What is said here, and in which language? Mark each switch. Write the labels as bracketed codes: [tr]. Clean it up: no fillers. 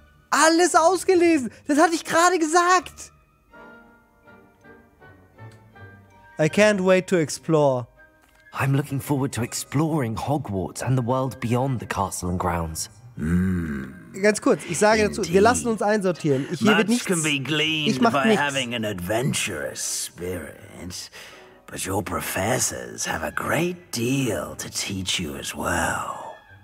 [de] Alles ausgelesen. Das hatte ich gerade gesagt. [en] I can't wait to explore. I'm looking forward to exploring Hogwarts and the world beyond the castle and grounds. [de] Ganz kurz, ich sage dazu, wir lassen uns einsortieren. Hier wird nichts. Ich mach nichts. [en] Having an adventurous spirit, but your professors have a great deal to teach you as well.